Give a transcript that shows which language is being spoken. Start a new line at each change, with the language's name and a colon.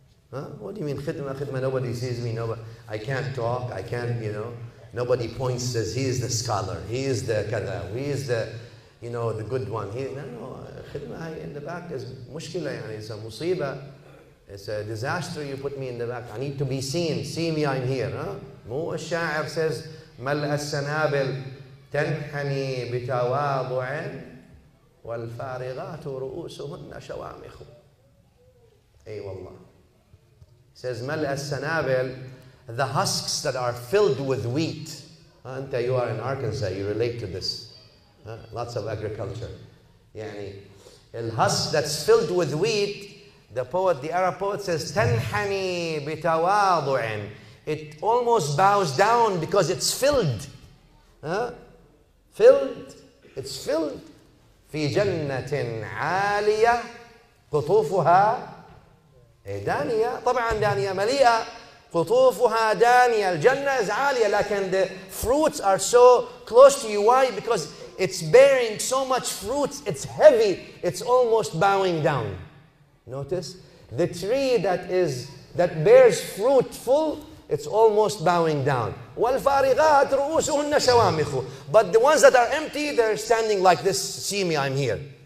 English: Huh? What do you mean khidmah? Khidmah, nobody sees me. Nobody, I can't talk. I can't, you know. Nobody points, says he is the scholar. He is the kada. He is the, you know, the good one. No. Khidmah in the back is mushkila. Yani, it's a musibah. It's a disaster you put me in the back. I need to be seen. See me, I'm here. Mu al-Sha'ir says,
Arabic: مَلْأَ السَّنَابِلْ تَنْحَنِي بِتَوَابُعٍ وَالْفَارِغَاتُ رُؤُسُهُنَّ شَوَامِخُ أي والله.
English: He says,
Arabic: مَلْأَ السَّنَابِلْ
English: The husks that are filled with wheat. أنت, you are in Arkansas. You relate to this. Lots of agriculture. يعني, الهسك that's filled with wheat, the poet, the Arab poet says,
Arabic: تَنْحَنِي بِتَوَاضُعٍ
English: It almost bows down because it's filled. Huh? Filled. It's filled.
Arabic: فِي جَنَّةٍ عَالِيَةٍ قُطُوفُهَا دَانِيَةٍ طبعاً دانية مليئة قُطُوفُهَا دَانِيَةٍ الجنة is عالية لكن
English: the fruits are so close to you. Why? Because it's bearing so much fruits. It's heavy. It's almost bowing down. Notice the tree that bears fruit full, it's almost bowing down.
Arabic: وَالْفَارِغَاتْ رُؤُسُهُنَّ شَوَامِخُ
English: But the ones that are empty, they're standing like this, see me, I'm here.